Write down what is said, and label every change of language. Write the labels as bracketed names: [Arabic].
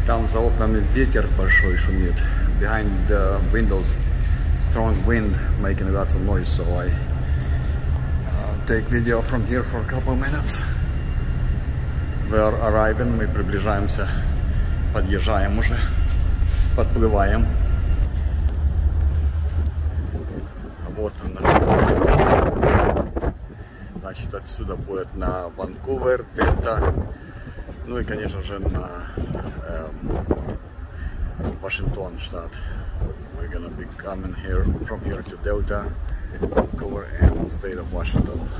[Russian] За окнами ветер большой шумит. [English] Behind the windows, strong wind making lots of noise. So I take video from here for a couple minutes. We are arriving, [Russian] мы приближаемся, подъезжаем уже, подплываем. Вот он. Значит, отсюда будет на Ванкувер, Дельта, ну и, конечно же, на Вашингтон, штат. [English] We're gonna be coming here from here to Delta, Vancouver and state of Washington.